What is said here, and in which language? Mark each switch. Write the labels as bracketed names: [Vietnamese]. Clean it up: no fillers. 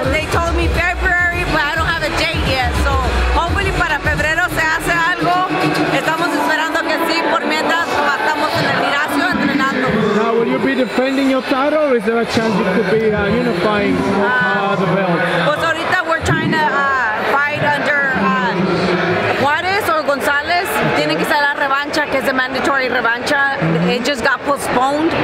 [English] Yeah, they told me February, but I don't have a date yet. So hopefully [Spanish] para febrero se hace algo. Estamos esperando que sí, por mientras estamos en el gimnasio entrenando. [English] Now, will you be defending your title, or is there a chance you could be unifying the belt? [Spanish] Pues ahorita [English] we're trying to fight under Juarez or González. [Spanish] Tiene que ser la revancha, que es [English] the mandatory [Spanish] revancha. [English] It just got postponed.